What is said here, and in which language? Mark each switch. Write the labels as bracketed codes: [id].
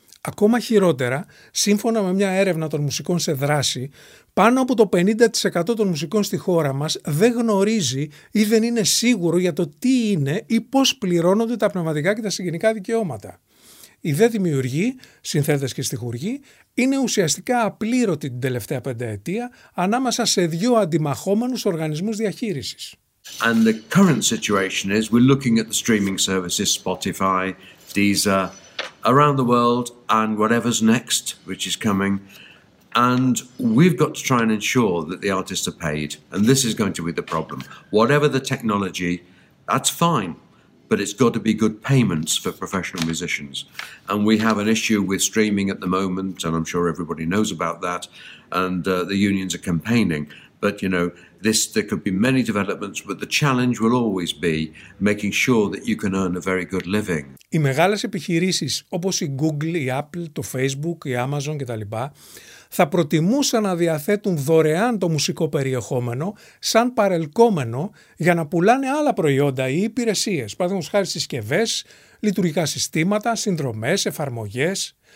[el] Ακόμα χειρότερα, σύμφωνα με μια έρευνα των μουσικών σε δράση, πάνω από το 50% των μουσικών στη χώρα μας δεν γνωρίζει ή δεν είναι σίγουρο για το τι είναι ή πώς πληρώνονται τα πνευματικά και τα συγγενικά δικαιώματα. Οι δε δημιουργοί, συνθέτες και στιχουργοί, είναι ουσιαστικά απλήρωτοι την τελευταία πενταετία ανάμεσα σε δύο αντιμαχόμενους οργανισμούς διαχείρισης. [en] And the current situation is we're looking at the streaming services, Spotify, Deezer, around the world and whatever's next, which is coming. And we've got to try and ensure that the artists are paid. And this is going to be the problem. Whatever the technology, that's fine. but it's got to be good payments for professional musicians. And we have an issue with streaming at the moment, and I'm sure everybody knows about that, and the unions are campaigning. But, you know, this there could be many developments, but the challenge will always be making sure that you can earn a very good living. [el] Οι μεγάλες επιχειρήσεις όπως η Google, η Apple, το Facebook, η Amazon κτλ. Θα προτιμούσαν να διαθέτουν δωρεάν το μουσικό περιεχόμενο σαν παρελκόμενο για να πουλάνε άλλα προϊόντα ή υπηρεσίες, παραδείγματος χάρη συσκευές, λειτουργικά συστήματα, συνδρομές, εφαρμογές.